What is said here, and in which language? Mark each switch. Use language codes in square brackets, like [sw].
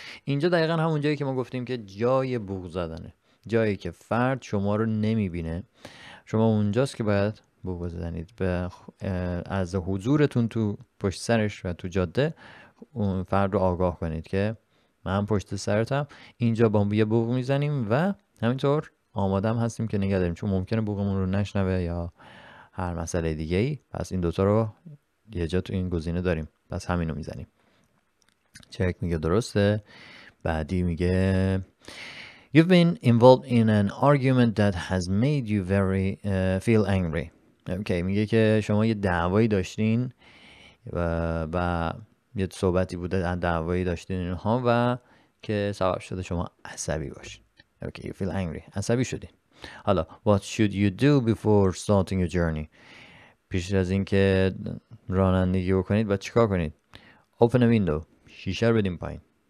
[fa] اینجا دقیقا همون جایی که ما گفتیم که جای بوق زدنه، جایی که فرد شما رو نمیبینه، شما اونجاست که باید بوق بزنید به از حضورتون تو پشت سرش و تو جاده اون فرد رو آگاه کنید که من پشت سرتم، اینجا با هم یه بوق میزنیم و همینطور آمادم هستیم که نگه داریم، چون ممکنه بوقمون رو نشنوه یا هر مسئله دیگه ای. پس این دوتا رو یه جا تو این گزینه داریم، پس همین رو میزنیم. چک میگه درسته. بعدی میگه [en] You've been involved in an argument that has made you very feel angry. Okay. [fa] میگه که شما یه دعوایی داشتین و یه صحبتی بوده، دعوایی داشتین اینها و که سبب شده شما عصبی باشین. [en] Okay, you feel angry. [fa] عصبی شدین. حالا [en] what should you do before starting your journey؟ [fa] پیش از اینکه رانندگی بکنید باید چیکار کنید؟ [en] Open a window. [fa] شیشه رو بدیم پایین.